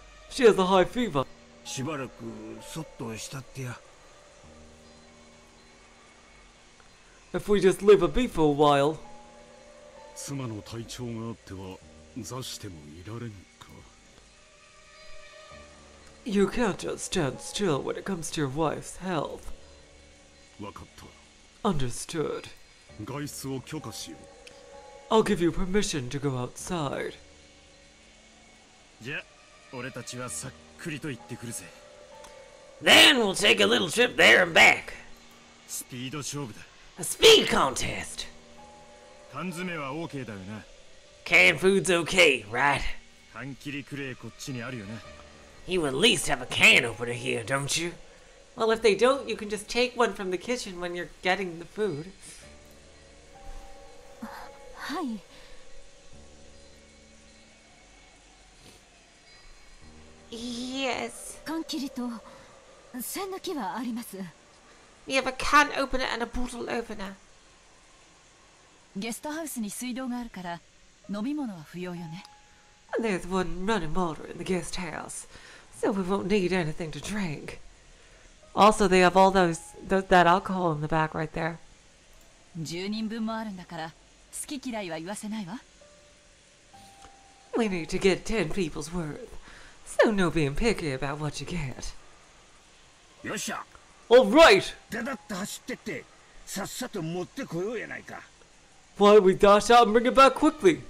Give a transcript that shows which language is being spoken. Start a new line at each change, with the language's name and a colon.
English: She has a high fever.
Japanese: しばらくそっとしたってや。
English: If we just leave her be for a while.
Japanese: 妻の体調があっては座してもいられんか。
English: You can't just stand still when it comes to your wife's health.
Japanese: わかった。
English: Understood.
Japanese: 外出を許可しよう。
English: I'll give you permission to go outside.
Japanese: じゃあ、俺たちはさっくりと行ってくるぜ。
English: Then we'll take a little trip there and back.
Japanese: スピード勝負だ。
English: A speed contest!
Japanese: 缶詰は OK だよな。
English: Canned food's OK, right?
Japanese: 缶切りクレーこっちにあるよな。
English: You at least have a can opener here, don't you? Well, if they don't, you can just take one from the kitchen when you're getting the food.
Japanese: はい。
English: Yes.
Japanese: 缶切りと栓抜きはあります。
English: We have a can opener and a bottle opener.
Japanese: ゲストハウスに水道があるから飲み物は不要よね。
English: There's one running water in the guest house, so we won't need anything to drink. Also, they have all that alcohol in the back right there.
Japanese: 10人分もあるんだから好き嫌いは言わせないわ。
English: We need to get 10 people's worth, so no being picky about what you get.
Japanese: よっしゃ。
English: All right! Why don't we dash out and bring it back quickly?